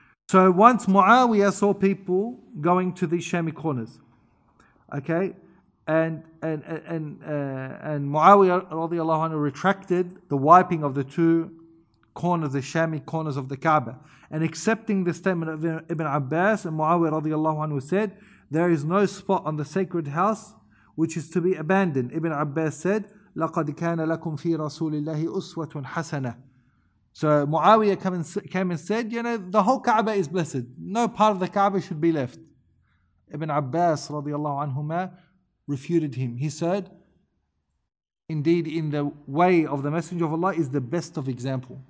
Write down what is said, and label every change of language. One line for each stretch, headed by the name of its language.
English: So once Muawiyah saw people going to these Shami corners, okay, and Muawiyah radiallahu anhu retracted the wiping of the two corners, the Shami corners of the Kaaba, and accepting the statement of Ibn Abbas, and Muawiyah radiallahu anhu said, there is no spot on the sacred house which is to be abandoned. Ibn Abbas said,
Arabic: لَقَدْ كَانَ لَكُمْ فِي رَسُولِ اللَّهِ أُسْوَةٌ حَسَنَةٌ.
English: So Muawiyah came and said, you know, the whole Kaaba is blessed. No part of the Kaaba should be left. Ibn Abbas radiallahu anhuma refuted him. He said, indeed, in the way of the Messenger of Allah is the best of example.